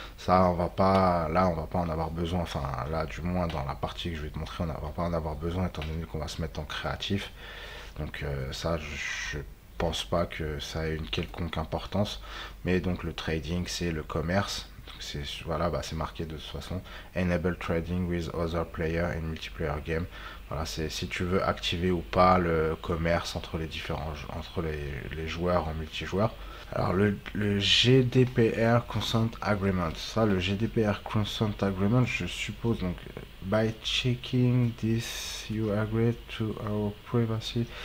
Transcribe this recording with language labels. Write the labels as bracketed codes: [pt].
[fr] Ça, on va pas, là on va pas en avoir besoin, enfin là du moins dans la partie que je vais te montrer, on va pas en avoir besoin étant donné qu'on va se mettre en créatif. Donc ça, je pense pas que ça ait une quelconque importance, mais donc le trading, c'est le commerce. C'est voilà, c'est marqué de toute façon. [en] Enable trading with other player in multiplayer game. [fr] Voilà, c'est si tu veux activer ou pas le commerce entre les différents entre les joueurs en multijoueur. Alors le GDPR Consent Agreement, ça, le GDPR Consent Agreement, je suppose, donc [en] by checking this you agree to our privacy.